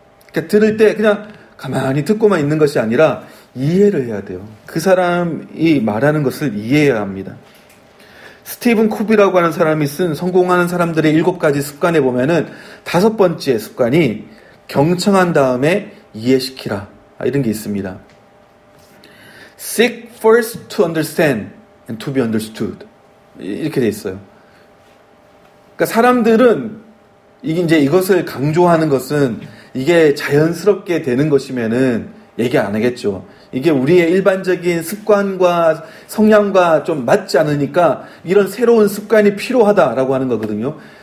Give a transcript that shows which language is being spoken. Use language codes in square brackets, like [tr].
[ko] 그러니까 들을 때 그냥 가만히 듣고만 있는 것이 아니라 이해를 해야 돼요. 그 사람이 말하는 것을 이해해야 합니다. 스티븐 코비라고 하는 사람이 쓴 성공하는 사람들의 일곱 가지 습관에 보면은 다섯 번째 습관이 경청한 다음에 이해시키라 이런 게 있습니다. [en] Seek first to understand and to be understood. [ko] 이렇게 돼 있어요. 그러니까 사람들은 이게 이제 이것을 강조하는 것은 이게 자연스럽게 되는 것이면은 얘기 안 하겠죠. 이게 우리의 일반적인 습관과 성향과 좀 맞지 않으니까 이런 새로운 습관이 필요하다라고 하는 거거든요.